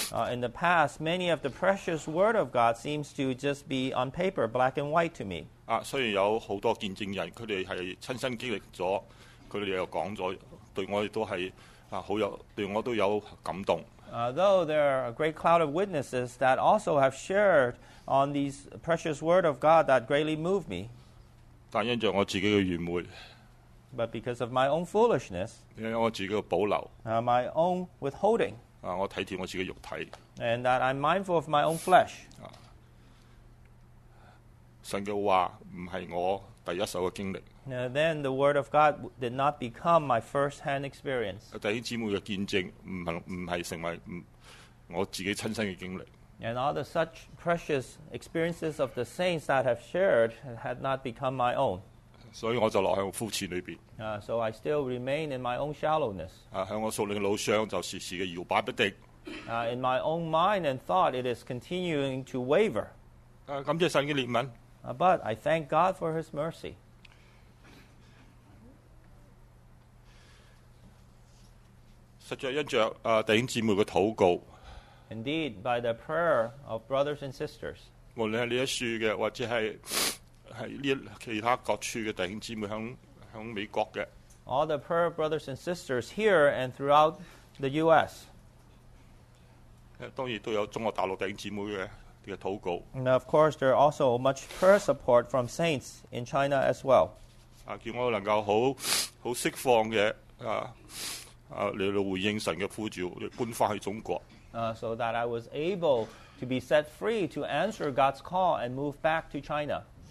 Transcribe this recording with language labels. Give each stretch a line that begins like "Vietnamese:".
English: In the past, many of the precious word of God seems to just be on paper, black and white to me.
Chinese: 虽然有很多见证人，他们是亲身经历了，他们又讲了，对我都有感动。
English: Though there are a great cloud of witnesses that also have shared on these precious word of God that greatly moved me.
Chinese: 但因着我自己的愚昧,
English: but because of my own foolishness,
Chinese: 因为我自己的保留,
English: my own withholding,
Chinese: 我看见我自己的肉体,
English: and that I'm mindful of my own flesh.
Chinese: 神的话不是我第一手的经历,
English: then the word of God did not become my first-hand experience.
Chinese: 弟兄姊妹的见证不是成为我自己亲身的经历。
English: And all the such precious experiences of the saints that have shared had not become my own.
Chinese: 所以我就落在我肤浅里面。
English: So I still remain in my own shallowness.
Chinese: 在我属灵的路上就时时的摇摆不定。
English: In my own mind and thought, it is continuing to waver.
Chinese: 感谢神的怜悯。
English: But I thank God for His mercy.
Chinese: 实在因着弟兄姊妹的祷告，
English: Indeed, by the prayer of brothers and sisters,
Chinese: 无论是这一书的，或者是其他各处的弟兄姊妹在美国的，
English: all the prayer of brothers and sisters here and throughout the U.S.
Chinese: 当然都有中国大陆弟兄姊妹的祷告。
English: And of course, there are also much prayer support from saints in China as well.
Chinese: 叫我能够好释放的。来回应神的呼召，搬回去中国。
English: So that I was able to be set free to answer God's call and move back to China.